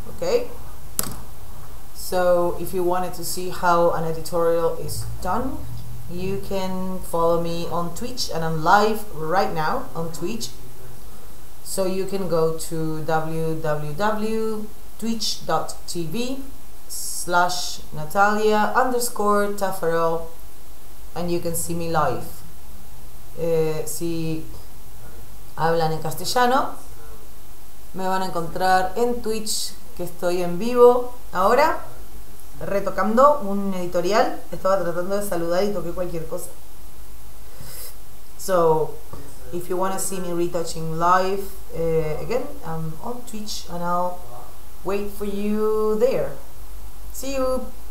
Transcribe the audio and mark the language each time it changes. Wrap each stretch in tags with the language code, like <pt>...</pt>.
<en>Okay, so if you wanted to see how an editorial is done, you can follow me on Twitch, and I'm live right now on Twitch. So you can go to www.twitch.tv/Natalia_Taffarel and you can see me live.</en> <es>Si hablan en castellano, me van a encontrar en Twitch, que estoy en vivo ahora retocando un editorial. Estaba tratando de saludar y toqué cualquier cosa.</es> <en>So if you want to see me retouching live, again, I'm on Twitch, and I'll wait for you there. See you.</en>